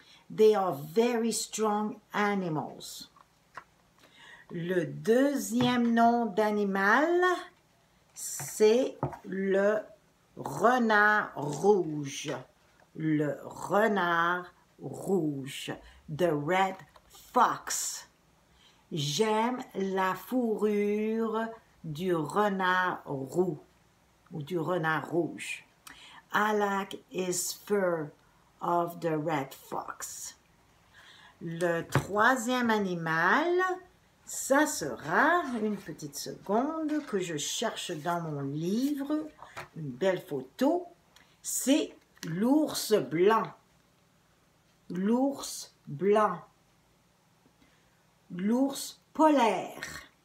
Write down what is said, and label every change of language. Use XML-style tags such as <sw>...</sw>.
<en>They are very strong animals.</en> <fr>Le deuxième nom d'animal, c'est le renard rouge. Le renard rouge,</fr> <en>the red fox.</en> <fr>J'aime la fourrure du renard roux ou du renard rouge.</fr> <en>I like his fur of the red fox.</en> <fr>Le troisième animal, ça sera, une petite seconde, que je cherche dans mon livre, une belle photo, c'est l'ours blanc. L'ours blanc. L'ours polaire.</fr>